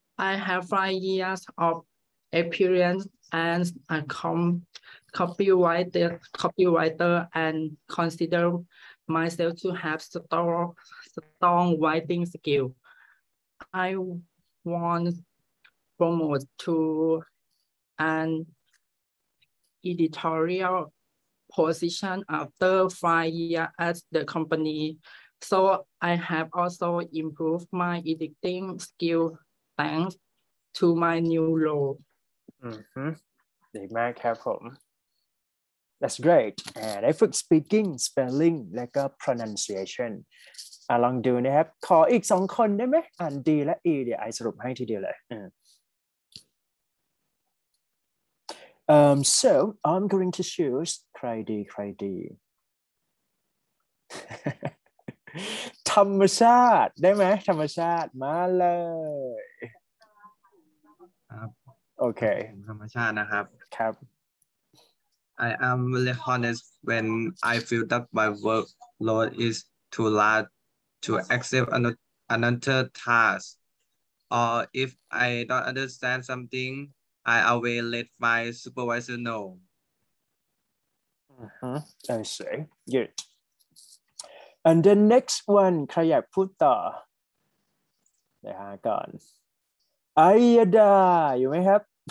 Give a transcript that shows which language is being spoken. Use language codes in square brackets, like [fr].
[en] I have 5 years of experience as a copywriter and consider myself to have strong writing skill I want promote toAn editorial position after 5 years at the company, so I have also improved my editing skill thanks to my new role. [th] ดีมากครับผม That's great ได้ฝึก speaking spelling และก็ pronunciation ลองดูนะครับขออีก2คนได้ไหมอันดีและอีเดี๋ยวไอสรุปให้ทีเดียวเลย [en] so I'm going to choose [th] ใครดีใครดีธรรมชาติได้ไหมธรรมชาติมาเลย ครับ โอเค ธรรมชาตินะครับ ครับ [en] I am really honest when I feel that my workload is too large to accept another task or if I don't understand something I always let my supervisor know I see good And the next one, [th] ใครอยากพูดต่อเดี๋ยวหาก่อนไอยดาอยู่ไหมครับ